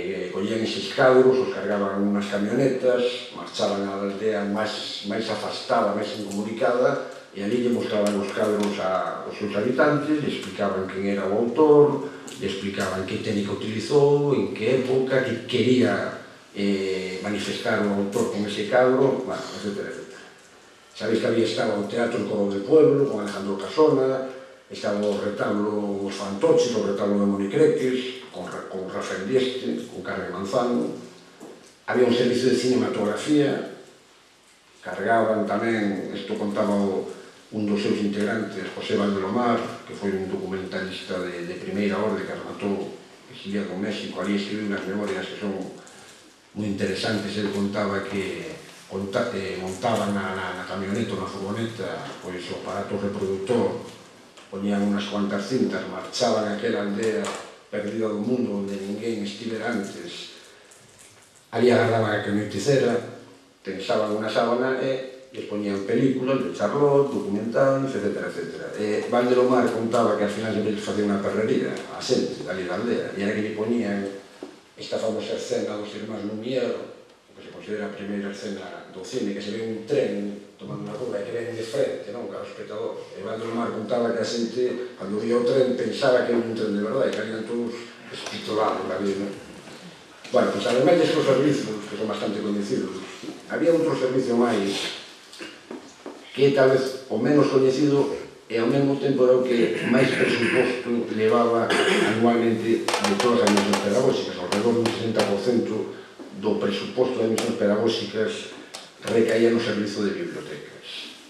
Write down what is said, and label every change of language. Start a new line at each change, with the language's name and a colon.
Galician: Collían eses cadros, os cargaban unhas camionetas, marchaban á aldea máis afastada, máis incomunicada, e ali lle mostraban os cadros aos seus habitantes, lle explicaban quen era o autor, lle explicaban que técnica utilizou, en que época, que quería manifestar o autor con ese cadro, bueno, etc. Sabéis que había estado o Teatro Coro del Pueblo, con Alejandro Casona, estaba o retablo dos Fantoches, o retablo de Monicreques, con Rafael Dieste, con Carmen Manzano. Había un servicio de cinematografía, cargaban tamén, isto contaba un dos seus integrantes, José Valdelomar, que foi un documentalista de primeira orde que rematou exiliado en México, ali escribiu unhas memorias que son moi interesantes. Ele contaba que montaba na camioneta, na furgoneta, pois o aparato reproductor, ponían unhas cuantas cintas, marchaban aquela aldea perdida do mundo onde ninguén estivera antes. Ali agarraban a camionetecera, tensaban unha sábana e les ponían películas de Charlot, documentais, etc. E Valdelomar contaba que al final sempre les facía unha perrería a xente dali da aldea, e era que lle ponían esta famosa escena dos irmáns Lumière, o que se considera a primeira escena do cine, que se ve un tren tomando unha curva e que ven de frente, non, cada espectador. E Valdelomar contaba que a xente, cando vía o tren, pensaba que era un tren de verdade, que eran todos espitolados, non?
Spanish: Bueno, pues además de estos servicios, que son bastante conocidos,
Galician: había outro servicio máis que tal vez o menos coñecido e ao mesmo tempo era o que máis presuposto levaba anualmente de todas as emisións pedagóxicas, ao redor dun 60% do presuposto de emisións pedagóxicas recaía no servizo de bibliotecas.